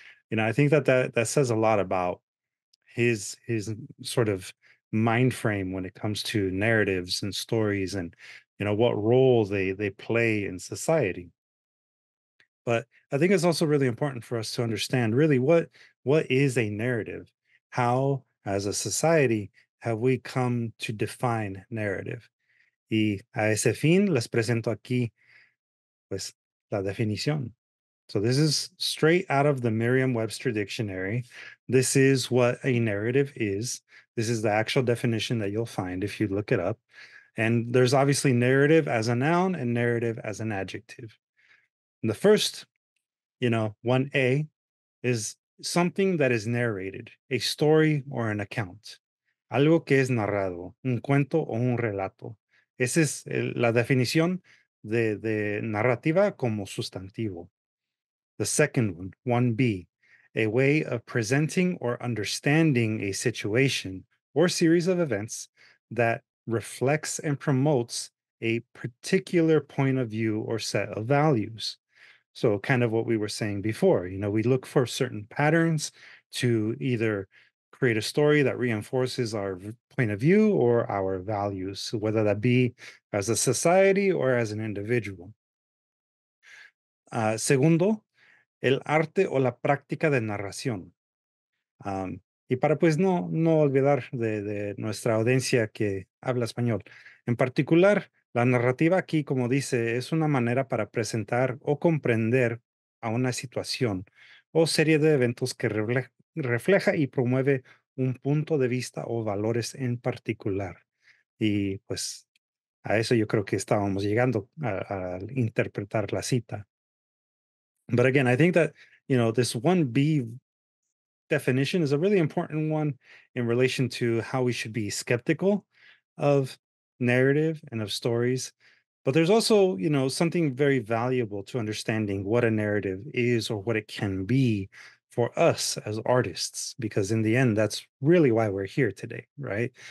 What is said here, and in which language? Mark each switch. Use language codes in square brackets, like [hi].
[en] You know, I think that that says a lot about his sort of mind frame when it comes to narratives and stories and, you know, what role they play in society. But I think it's also really important for us to understand really what is a narrative? How, as a society, have we come to define narrative? [es] Y a ese fin, les presento aquí, pues, la definición. [en] So this is straight out of the Merriam-Webster Dictionary. This is what a narrative is. This is the actual definition that you'll find if you look it up. And there's obviously narrative as a noun and narrative as an adjective. And the first, you know, 1A is something that is narrated, a story or an account. [es] Algo que es narrado, un cuento o un relato. Esa es la definición de narrativa como sustantivo. [en] The second one, 1B, a way of presenting or understanding a situation or series of events that reflects and promotes a particular point of view or set of values. So kind of what we were saying before, you know, we look for certain patterns to either create a story that reinforces our point of view or our values, whether that be as a society or as an individual. [es] Segundo, el arte o la práctica de narración. Y para pues no olvidar de nuestra audiencia que habla español. En particular, la narrativa aquí, como dice, es una manera para presentar o comprender a una situación o serie de eventos que refleja y promueve un punto de vista o valores en particular. Y pues a eso yo creo que estábamos llegando a interpretar la cita. [en] But again, I think that, you know, this 1B definition is a really important one in relation to how we should be skeptical of narrative and of stories. But there's also, you know, something very valuable to understanding what a narrative is or what it can be for us as artists, because in the end, that's really why we're here today, right?